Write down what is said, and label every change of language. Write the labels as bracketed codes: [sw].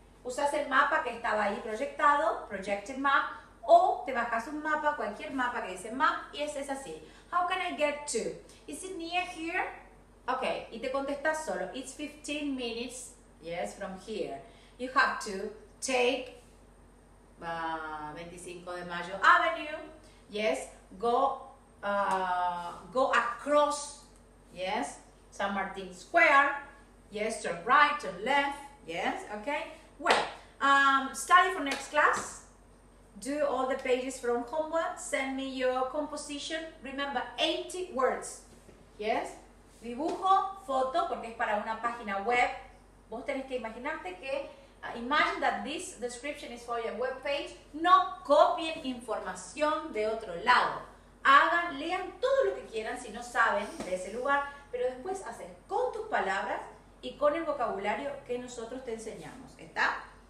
[es] usas el mapa que estaba ahí proyectado, projected map, o te bajas un mapa, cualquier mapa que dice map, y ese es así. [en] How can I get to? Is it near here? Okay, [es] y te contestas solo, [en] it's 15 minutes, yes, from here. You have to take 25 de Mayo Avenue, yes, go across, yes, San Martin Square, yes, turn right, turn left, yes, okay. Well, study for next class, do all the pages from homework, send me your composition, remember 80 words, yes. [es] Dibujo, foto, porque es para una página web. Vos tenés que imaginarte que, [en] imagine that this description is for your web page. [es] No copien información de otro lado. Hagan, lean todo lo que quieran si no saben de ese lugar, pero después hacen con tus palabras y con el vocabulario que nosotros te enseñamos, ¿está?